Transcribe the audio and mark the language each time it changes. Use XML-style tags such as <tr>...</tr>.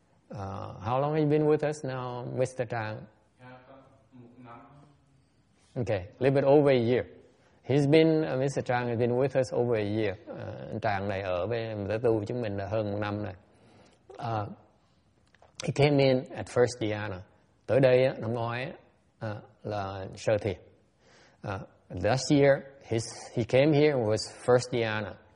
<en>How long have you been with us now, Mr. Trang? Okay, a little bit over a year. He's been, Mr. Trang has been with us over a year.</en> <vi>Trang này ở với tới tu chúng mình là hơn một năm này.</vi> <en>He came in at First Diana.</en> <vi>Tới đây năm ngoái là sơ thiền.</vi> <en>Last year, he came here and was First Diana.</en>